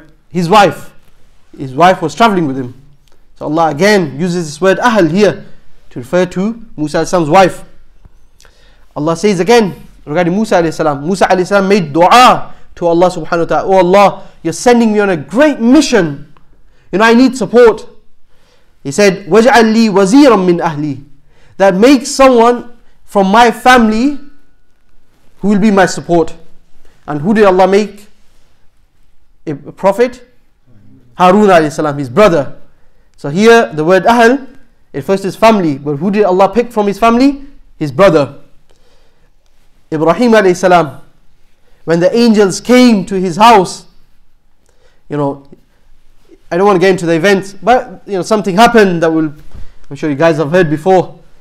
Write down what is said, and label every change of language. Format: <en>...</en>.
<en>His wife. His wife was traveling with him. So Allah again uses this word Ahl here to refer to Musa al-Salam's wife. Allah says again regarding Musa alayhi salam. Musa alayhi salam made dua to Allah subhanahu wa ta'ala. Oh Allah, you're sending me on a great mission. You know, I need support. He said,</en> <ar>وَجْعَلْ لِي وَزِيرًا مِّنْ أَهْلِي.</ar> <en>That makes someone from my family who will be my support. And who did Allah make? A prophet? Harun alayhi salam, his brother. So here, the word Ahl, it first is family. But who did Allah pick from his family? His brother. Ibrahim alayhi salam, when the angels came to his house, you know, I don't want to get into the events, but you know, something happened that will, I'm sure you guys have heard before.</en>